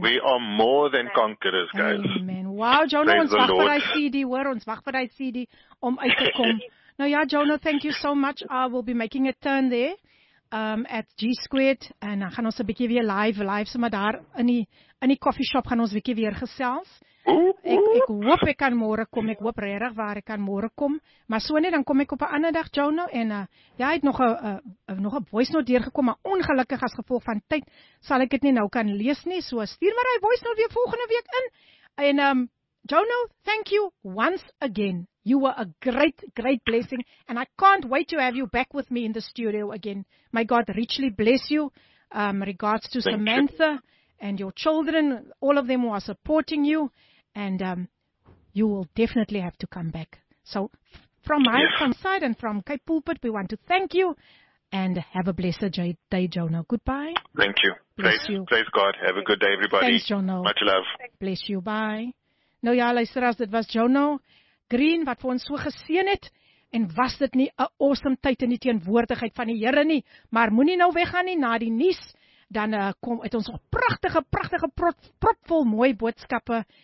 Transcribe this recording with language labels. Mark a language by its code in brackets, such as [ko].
[en] We are more than conquerors, guys. Amen. [af] Wow, Jonah, ons wag vir die CD, hoor, ons wag vir die CD om uit te kom. Nou ja, [en] Jonah, thank you so much. I will be making a turn there at G-Squared. [af] En dan gaan ons 'n bietjie weer live, so maar daar in die coffee shop gaan ons bietjie weer gesels. Ek hoop ek kan môre kom. Ek hoop regtig waar ek kan môre kom. Maar so net dan kom ek op 'n ander dag, Jono, en jy het nog 'n voice note deurgekom, maar ongelukkig as gevolg van tyd sal ek dit nie nou kan lees nie. So stuur maar hy voice note weer volgende week in. En Jono, [en] thank you once again. You were a great, great blessing and I can't wait to have you back with me in the studio again. May God richly bless you. Regards to thank Samantha. You. And your children, all of them who are supporting you, and you will definitely have to come back. So, from my side and from Kai Pulpit, we want to thank you, and have a blessed day, Jono. Goodbye. Thank you. Bless you. Praise God. Have a good day, everybody. Thanks, Jono. Much love. Bless you. Bye. [af] Nou ja, luisteraars, dit was Jono Green, wat vir ons so geseën het, en was dit nie 'n awesome tyd in die teenwoordigheid van die Here nie, maar moenie nou weggaan nie na die nuus, dan kom uit ons pragtige, pragtige, propvol mooi boodskappe.